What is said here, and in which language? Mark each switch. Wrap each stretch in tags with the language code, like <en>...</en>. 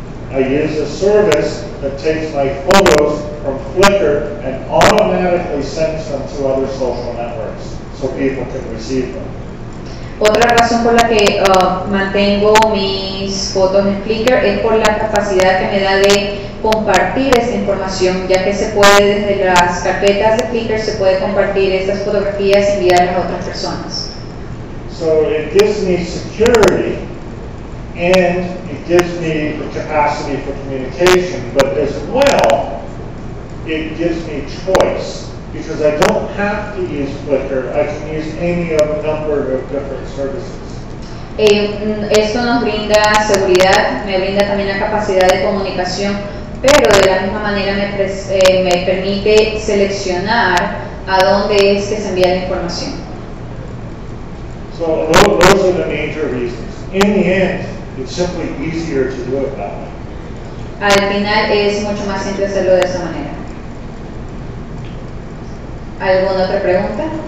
<en>I use a service that takes my photos from Flickr and automatically sends them to other social networks so people can receive them.</en> <es>Otra razón por la que mantengo mis fotos en Flickr es por la capacidad que me da de compartir esta información, ya que se puede desde las carpetas de Flickr se puede compartir estas fotografías y enviarlas a otras personas.</es> <en>So it gives me security and it gives me the capacity for communication, but as well it gives me choice. Because I don't have to use Flickr, I can use any of a number of different services.</en> <es>Esto nos brinda seguridad, me brinda también la capacidad de comunicación, pero de la misma manera me permite seleccionar a dónde es que se envía la información.</es> <en>So those are the major reasons. In the end, it's simply easier to do it that way.</en> <es>Al final es mucho más simple hacerlo de esa manera. ¿Alguna otra pregunta?</es>